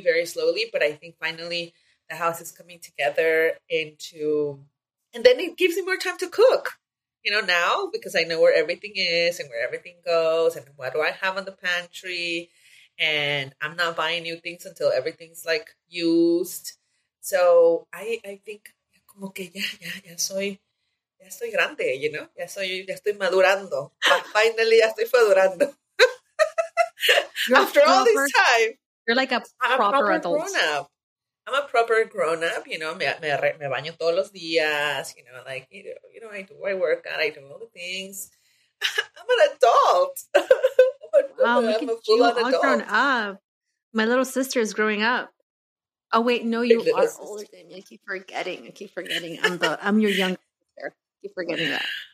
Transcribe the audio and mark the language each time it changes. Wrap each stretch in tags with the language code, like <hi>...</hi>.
<en>But I think finally the house is coming together and then it gives me more time to cook, you know, now, because I know where everything is and where everything goes and what do I have in the pantry. And I'm not buying new things until everything's like used. So I think,</en> <es>como que ya soy grande,</es> <en>you know?</en> <es>Ya estoy madurando.</es> <en>Finally,</en> <es>ya estoy madurando.</es> <en>After proper, all this time. You're like a proper grown up. I'm a proper grown up, you know?</en> <es>Me baño todos los días,</es> <en>you know? Like, you know, I work out, I do all the things. I'm an adult. Wow, look at you all grown up. My little sister is growing up. Oh wait, no, you are older than me. I keep forgetting. I'm your younger sister. I keep forgetting that.</en>